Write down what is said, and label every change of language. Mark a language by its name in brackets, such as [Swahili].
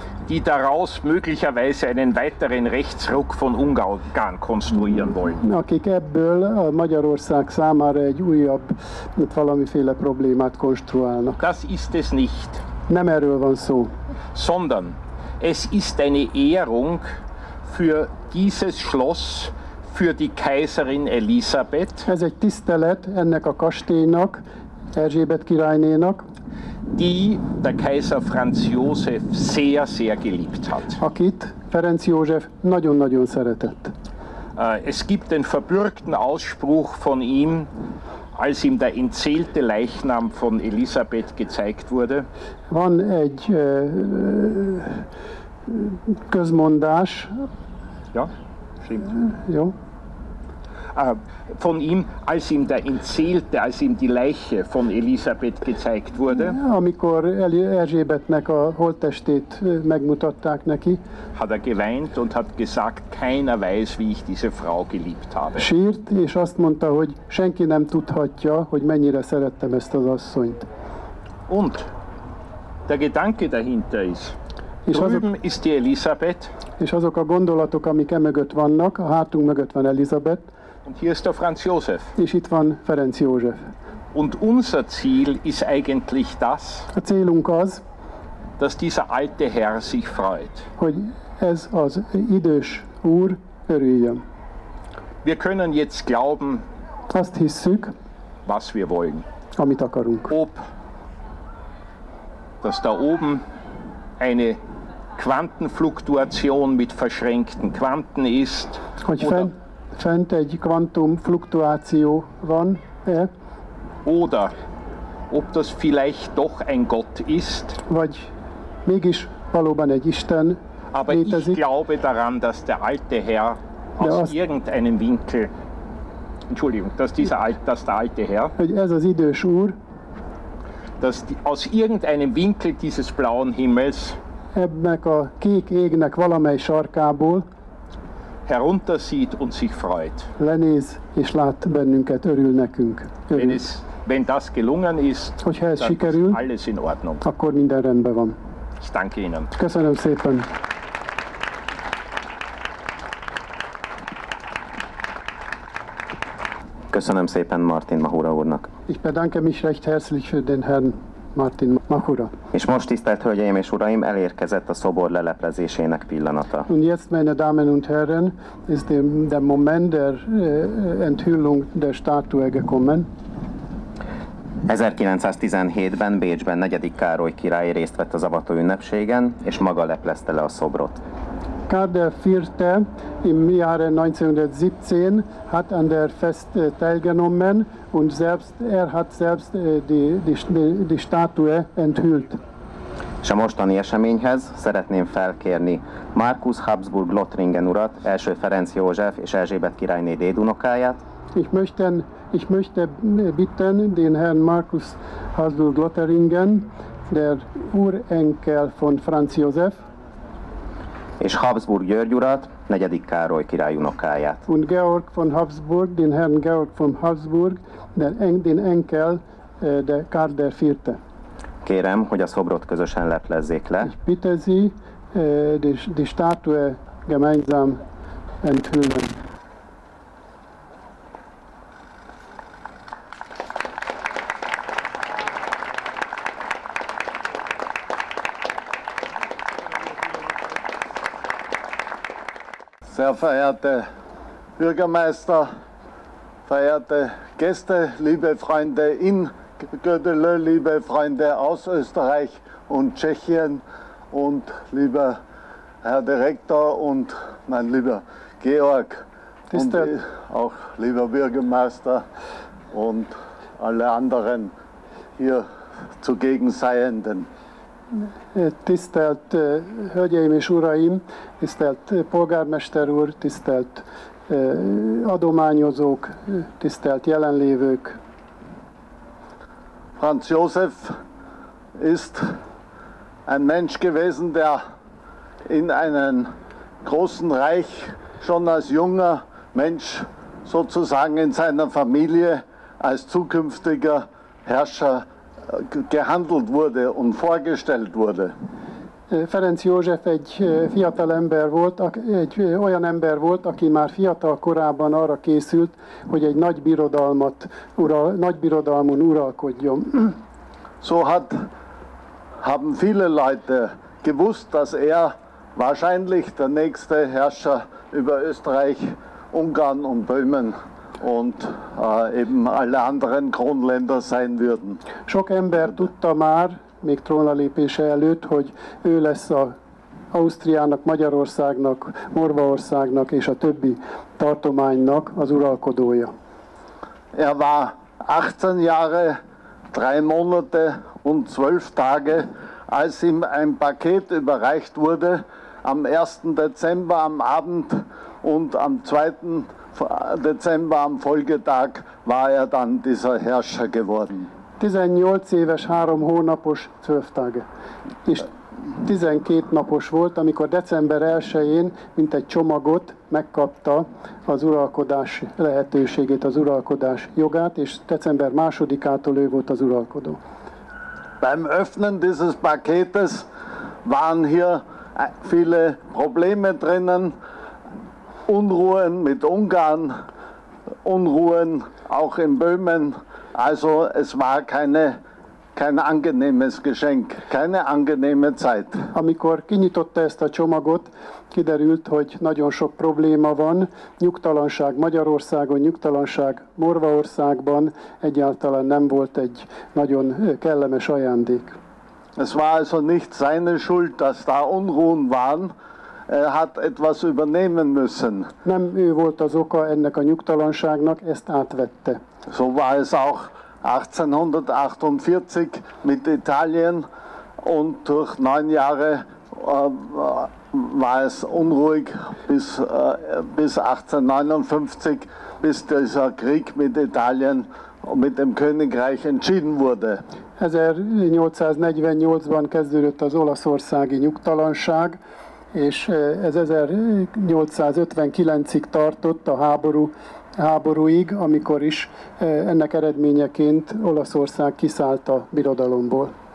[German] die daraus möglicherweise einen weiteren Rechtsruck von Ungarn konstruieren wollen. [Hungarian] Akik ebből a Magyarország számára egy újabb, valamiféle problémát konstruálnak. [German] Das ist es nicht. [Hungarian] Nem erről van szó. [German] Sondern es ist eine Ehrung für dieses Schloss, für die Kaiserin Elisabeth. [Hungarian] Ez egy tisztelet ennek a kastélynak, Erzsébet királynénak, [German] die der Kaiser Franz Josef sehr, sehr geliebt hat. [Hungarian] Akit Ferenc József nagyon-nagyon szeretett. [German] Es gibt den verbürgten Ausspruch von ihm, als ihm der entseelte Leichnam von Elisabeth gezeigt wurde. [Hungarian] Van egy közmondás. [German] Ja, stimmt. [Hungarian] Jó. [German] Von ihm, als ihm der entseelte, als ihm die Leiche von Elisabeth gezeigt wurde. [Hungarian] Amikor Erzsébetnek a holttestét megmutatták neki. [German] Hat geweint und hat gesagt, keiner weiß, wie ich diese Frau geliebt habe. [Hungarian] Sírt, és azt mondta, hogy senki nem tudhatja, hogy mennyire szerettem ezt az asszonyt. [German] Und der Gedanke dahinter ist, [Hungarian] és [German] drüben [Hungarian] azok, [German] ist die Elisabeth. [Hungarian] És azok a gondolatok, amik emögött vannak, a hátunk mögött van Elisabeth. [German] Und hier ist der Franz Josef. [Hungarian] És itt van Ferenc József. [German] Und unser Ziel ist eigentlich das, [Hungarian] a célunk az, [German] dass dieser alte Herr sich freut. [Hungarian] Hogy ez az idős úr örüljön. [German] Wir können jetzt glauben, [Hungarian] azt hisszük, [German] was wir wollen. [Hungarian] Amit akarunk. [German] Ob, dass da oben eine Quantenfluktuation mit verschränkten Quanten ist, [Hungarian] hogy [German] oder [Hungarian] fent egy kvantumfluktuáció van. [German] Oder ob das vielleicht doch ein Gott ist. [Hungarian] Vagy mégis valóban egy Isten. [German] Aber [Hungarian] létezik. [German] Ich glaube daran, dass der alte Herr aus irgendeinem Winkel Entschuldigung, dass dieser alte, dass der alte Herr, [Hungarian] hogy ez az idős úr, [German] dass die, aus irgendeinem Winkel dieses blauen Himmels [Hungarian] ebnek a kék égnek valamely sarkából [German] heruntersieht und sich freut. [Hungarian] Lenéz és lát bennünket, örül nekünk. Örül. [German] Wenn, es, wenn das gelungen ist, [Hungarian] hogyha ez sikerül, [German] alles in Ordnung. [Hungarian] Akkor minden rendben van. [German] Ich danke Ihnen. [Hungarian] Köszönöm szépen. Köszönöm szépen Martin Mahura úrnak. [German] Ich bedanke mich recht herzlich für den Herrn Martin Mahura. [Hungarian] És most, tisztelt Hölgyeim és Uraim, elérkezett a szobor leleplezésének pillanata. [German] Und jetzt, meine Damen und Herren, ist der Moment der Enthüllung der Statue gekommen. [Hungarian] 1917-ben Bécsben IV. Károly király részt vett az avató ünnepségen, és maga leplezte le a szobrot. [German] Karl der Vierte im Jahre 1917 hat an der Fest teilgenommen und selbst er hat selbst die Statue enthüllt. [Hungarian] És a mostani eseményhez szeretném felkérni Markus Habsburg Lothringen urat, első Ferenc József és Erzsébet királyné dédunokáját. [German] Ich möchte bitten den Herrn Markus Habsburg Lothringen, der Urenkel von Franz József, [Hungarian] és Habsburg György urat, IV. Károly király unokáját. [German] Und Georg von Habsburg, den Herrn Georg von Habsburg, den Enkel der Karl der Vierte. [Hungarian] Kérem, hogy a szobrot közösen leplezzék le. [German] Ich bitte Sie, die Statue gemeinsam enthüllen. Sehr verehrte Bürgermeister, verehrte Gäste, liebe Freunde in Gödelö, liebe Freunde aus Österreich und Tschechien und lieber Herr Direktor und mein lieber Georg und auch lieber Bürgermeister und alle anderen hier zugegen Seienden. [Hungarian] Tisztelt Hölgyeim és Uraim, tisztelt polgármester úr, tisztelt adományozók, tisztelt jelenlévők. [German] Franz Josef ist ein Mensch gewesen, der in einem großen Reich schon als junger Mensch sozusagen in seiner Familie als zukünftiger Herrscher gehandelt wurde und vorgestellt wurde. [Hungarian] Ferenc József egy fiatal ember volt, egy olyan ember volt, aki már fiatal korában arra készült, hogy egy nagybirodalmon uralkodjon. [German] So haben viele Leute gewusst, dass er wahrscheinlich der nächste Herrscher über Österreich, Ungarn und Böhmen und eben alle anderen Kronländer sein würden. [Hungarian] Sok ember tudta már, még trónra lépése előtt, hogy ő lesz az Ausztriának, Magyarországnak, Morvaországnak és a többi tartománynak az uralkodója. [German] Er war 18 Jahre, 3 Monate und 12 Tage, als ihm ein Paket überreicht wurde am 1. Dezember am Abend und am 2. Dezember am Folgetag war er dann dieser Herrscher geworden. [Hungarian] 18 éves, 3 hónapos, [German] 12 Tage. [Hungarian] És 12 napos volt, amikor december 1-én, mint egy csomagot megkapta az uralkodás lehetőségét, az uralkodás jogát, és december 2-ától ő volt az uralkodó. [German] Beim Öffnen dieses Paketes waren hier viele Probleme drinnen, Unruhen mit Ungarn, Unruhen auch in Böhmen. Also es war kein angenehmes Geschenk, keine angenehme Zeit. [Hungarian] Amikor kinyitotta ezt a csomagot, kiderült, hogy nagyon sok probléma van, nyugtalanság Magyarországon, nyugtalanság Morvaországban, egyáltalán nem volt egy nagyon kellemes ajándék. [German] Es war also nicht seine Schuld, dass da Unruhen waren. Er hat etwas übernehmen müssen. [Hungarian] Nem ő volt az oka ennek a nyugtalanságnak, ezt átvette. [German] So war es auch 1848 mit Italien und durch 9 Jahre war es unruhig bis 1859, bis dieser Krieg mit Italien und mit dem Königreich entschieden wurde. [Hungarian] 1848-ban kezdődött az olaszországi nyugtalanság, és ez 1859-ig tartott a háborúig, amikor is ennek eredményeként Olaszország kiszállt a birodalomból.